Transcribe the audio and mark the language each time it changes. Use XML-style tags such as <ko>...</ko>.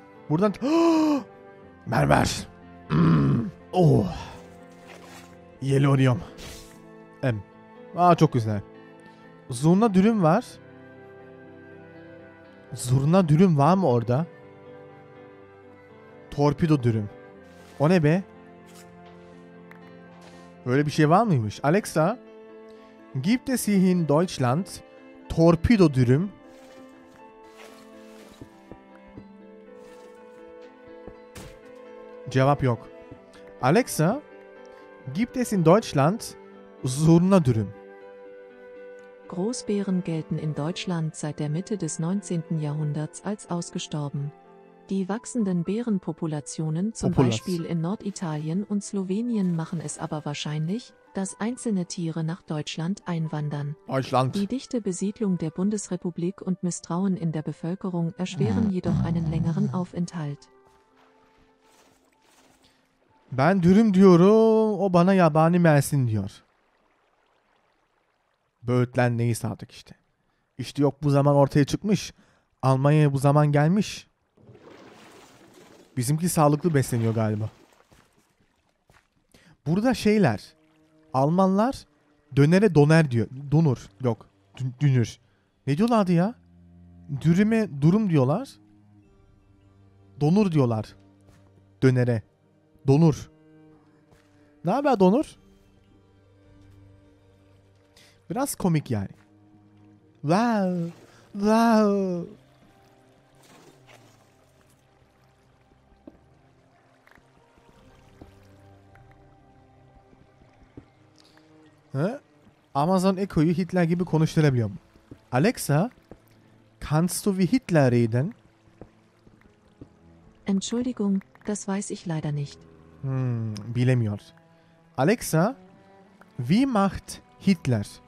<tr>Buradan mermer. Oh. Yelonium. M. Aa çok güzel. Zurna dürüm var. Zurna dürüm var mı orada? Torpido dürüm. O ne be? Böyle bir şey var mıymış?</tr> <de>Alexa, gibt es hier in Deutschland Torpido dürüm?</de> <tr>Cevap yok.</tr> <de>Alexa, gibt es in Deutschland Zurna dürüm? Großbären gelten in Deutschland seit der Mitte des 19. Jahrhunderts als ausgestorben. Die wachsenden Bärenpopulationen zum Beispiel in Norditalien und Slowenien machen es aber wahrscheinlich, dass einzelne Tiere nach Deutschland einwandern. Deutschland. Die dichte Besiedlung der Bundesrepublik und Misstrauen in der Bevölkerung erschweren jedoch einen längeren Aufenthalt.</de> <tr>Ben dürüm diyorum, o bana yabani mersin diyor. Böğütlen neyse artık işte. İşte yok bu zaman ortaya çıkmış. Almanya'ya bu zaman gelmiş. Bizimki sağlıklı besleniyor galiba. Burada şeyler. Almanlar dönere doner diyor. Donur. Yok. Dünür. Ne diyorlardı ya? Dürüme durum diyorlar. Donur diyorlar. Dönere. Donur. Ne haber donur? Biraz komik yani. Wow. Wow. Amazon Echo'yu Hitler gibi konuşturabiliyorum.</tr> <de>Alexa, kannst du wie Hitler reden? Entschuldigung, das weiß ich leider nicht.</de> <tr>Bilemiyor.</tr> <de>Alexa, wie macht Hitler?</de>